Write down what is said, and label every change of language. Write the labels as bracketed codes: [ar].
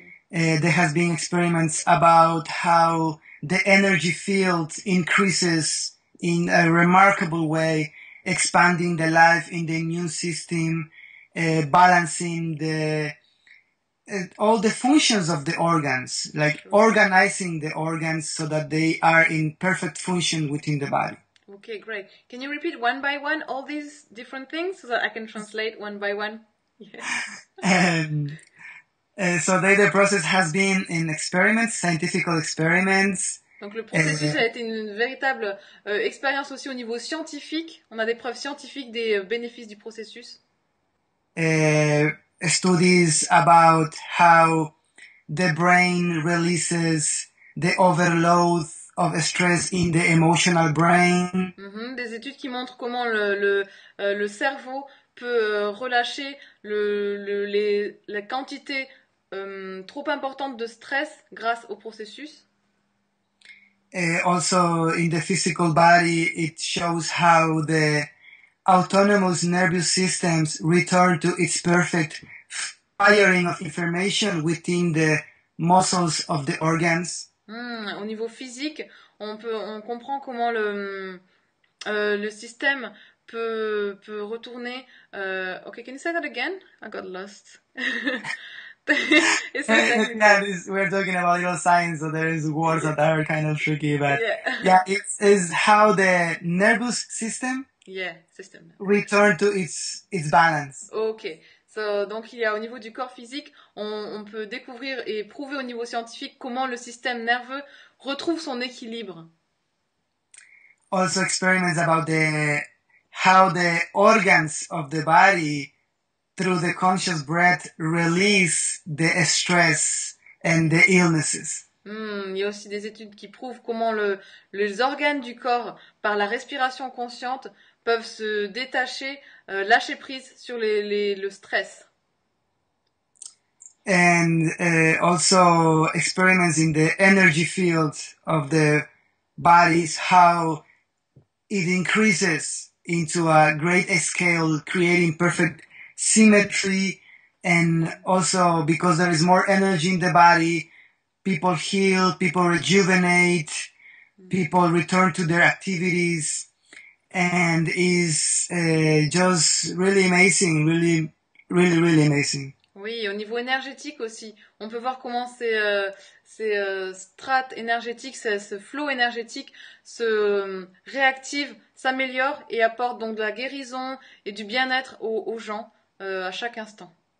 [en] There has been experiments about how the energy field increases in a remarkable way, expanding the life in the immune system, balancing the all the functions of the organs, like organizing the organs so that they are in perfect function within the body. Okay, great. Can you repeat one by one all these different things so that I can translate one by one? Yes. The process has been in experiments, scientific experiments. [fr] Donc le processus a été une véritable expérience aussi au niveau scientifique. On a des preuves scientifiques des bénéfices du processus. [en] Studies about how the brain releases the overload of stress in the emotional brain. [fr] Des études qui montrent comment le cerveau peut relâcher la quantité trop importante de stress grâce au processus. [en] Also, in the physical body, it shows how the autonomous nervous systems return to its perfect firing of information within the muscles of the organs. [fr] Au niveau physique, on comprend comment le système peut retourner. [en] Okay, can you say that again? I got lost. [fr] Essaye de [en] Yeah, [fr] répéter. [en] we're talking about little science, so there is words that are kind of tricky, but yeah, Yeah. it's how the nervous system Yeah, system. return to its balance. Okay. [fr] So, donc, il y a au niveau du corps physique, on peut découvrir et prouver au niveau scientifique comment le système nerveux retrouve son équilibre. [en] Also, experiments about the how the organs of the body through the conscious breath release the stress and the illnesses. [fr] Il y a aussi des études qui prouvent comment les organes du corps, par la respiration consciente, peuvent se détacher, lâcher prise sur le stress. [en] And also experiments in the energy field of the bodies, how it increases into a great scale, creating perfect symmetry. And also because there is more energy in the body, people heal, people rejuvenate, people return to their activities, and is just really amazing, really, really, really amazing. [fr] Oui, au niveau énergétique aussi, on peut voir comment ces strates énergétiques, ce flot énergétique se réactive, s'améliore et apporte donc de la guérison et du bien-être aux gens à chaque instant.